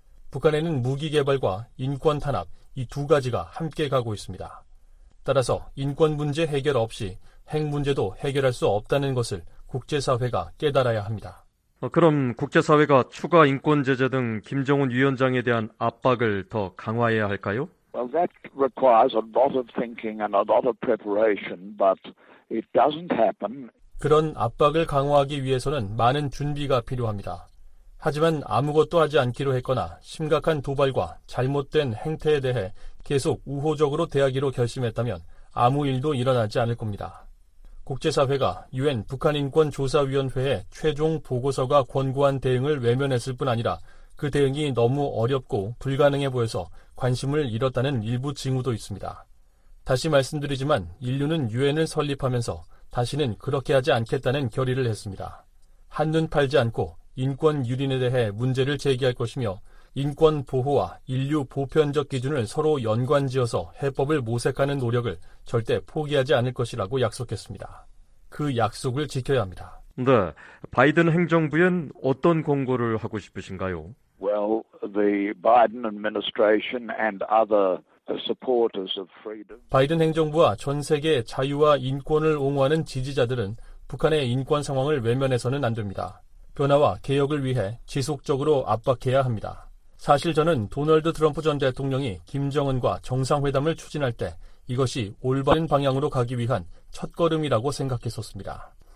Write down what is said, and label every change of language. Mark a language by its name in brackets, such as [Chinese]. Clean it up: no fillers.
[Korean] 북한에는 무기 개발과 인권 탄압, 이 두 가지가 함께 가고 있습니다. 따라서 인권 문제 해결 없이 핵 문제도 해결할 수 없다는 것을 국제사회가 깨달아야 합니다. 그럼 국제사회가 추가 인권 제재 등 김정은 위원장에 대한 압박을 더 강화해야 할까요? [English] Well, that requires a lot of thinking and a lot of preparation, but it doesn't happen. [Korean] 그런 압박을 강화하기 위해서는 많은 준비가 필요합니다. 하지만 아무것도 하지 않기로 했거나 심각한 도발과 잘못된 행태에 대해 계속 우호적으로 대하기로 결심했다면 아무 일도 일어나지 않을 겁니다. 국제사회가 유엔 북한인권조사위원회에 최종 보고서가 권고한 대응을 외면했을 뿐 아니라 그 대응이 너무 어렵고 불가능해 보여서 관심을 잃었다는 일부 징후도 있습니다. 다시 말씀드리지만 인류는 유엔을 설립하면서 다시는 그렇게 하지 않겠다는 결의를 했습니다. 한눈 팔지 않고 인권 유린에 대해 문제를 제기할 것이며 인권 보호와 인류 보편적 기준을 서로 연관지어서 해법을 모색하는 노력을 절대 포기하지 않을 것이라고 약속했습니다. 그 약속을 지켜야 합니다. 네, 바이든 행정부엔 어떤 권고를 하고 싶으신가요? [English] Well, the Biden administration and other supporters of freedom. [Korean] 바이든 행정부와 전 세계 자유와 인권을 옹호하는 지지자들은 북한의 인권 상황을 외면해서는 안 됩니다. 변화와 개혁을 위해 지속적으로 압박해야 합니다. 사실 저는 도널드 트럼프 전 대통령이 김정은과 정상회담을 추진할 때 이것이 올바른 방향으로 가기 위한 첫걸음이라고 생각했었습니다.